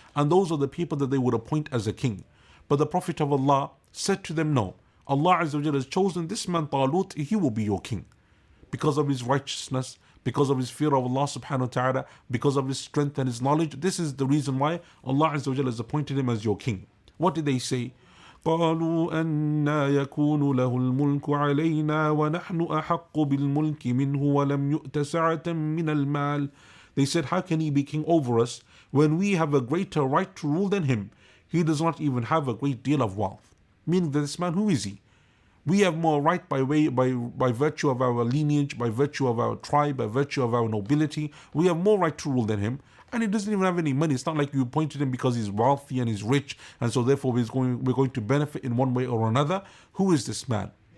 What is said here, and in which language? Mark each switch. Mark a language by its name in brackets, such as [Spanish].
[English] And those are the people that they would appoint as a king. But the Prophet of Allah said to them, no, Allah Azza wa Jalla has chosen this man Talut, he will be your king because of his righteousness, because of his fear of Allah subhanahu wa ta'ala, because of his strength and his knowledge. This is the reason why Allah Azza wa Jalla has appointed him as your king. What did they say? [Arabic] قالوا أن يكون له الملك علينا ونحن أحق بالملك منه ولم يؤت سعة من المال. [English] They said, how can he be king over us when we have a greater right to rule than him? He does not even have a great deal of wealth. Meaning that this man, who is he? We have more right by virtue of our lineage, by virtue of our tribe, by virtue of our nobility. We have more right to rule than him. And he doesn't even have any money. It's not like you appointed him because he's wealthy and he's rich, and so therefore we're going to benefit in one way or another. Who is this man?